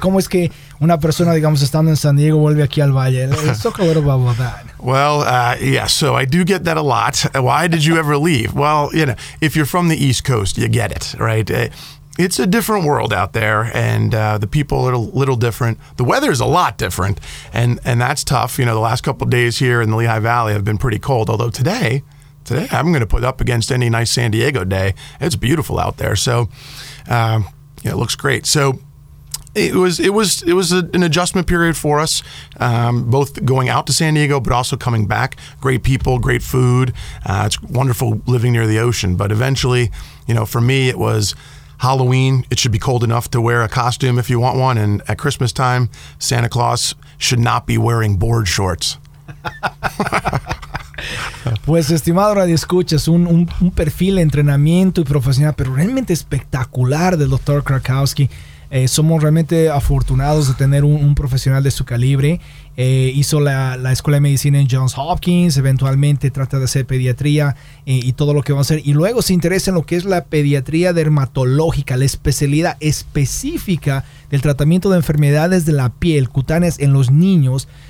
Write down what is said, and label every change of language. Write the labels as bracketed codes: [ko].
[es] ¿Cómo es que una persona, digamos, estando en San Diego, vuelve aquí al Valle? [en] Let's talk a little bit about that. Well, yeah, so I do get that a lot. Why did you ever leave? Well, you know, if you're from the East Coast, you get it, right? It's a different world out there, and the people are a little different. The weather is a lot different, and that's tough. You know, the last couple of days here in the Lehigh Valley have been pretty cold, although today I'm going to put up against any nice San Diego day. It's beautiful out there, so yeah, it looks great. So it was an adjustment period for us, both going out to San Diego but also coming back. Great people, great food. It's wonderful living near the ocean. But eventually, you know, for me it was Halloween. It should be cold enough to wear a costume if you want one. And at Christmas time, Santa Claus should not be wearing board shorts. [es] Pues, estimado Radio Escuchas, un perfil de entrenamiento y profesional, pero realmente espectacular del Dr. Krakowski. Somos realmente afortunados de tener un profesional de su calibre. Hizo la Escuela de Medicina en Johns Hopkins, eventualmente trata de hacer pediatría y todo lo que va a hacer. Y luego se interesa en lo que es la pediatría dermatológica, la especialidad específica del tratamiento de enfermedades de la piel, cutáneas en los niños.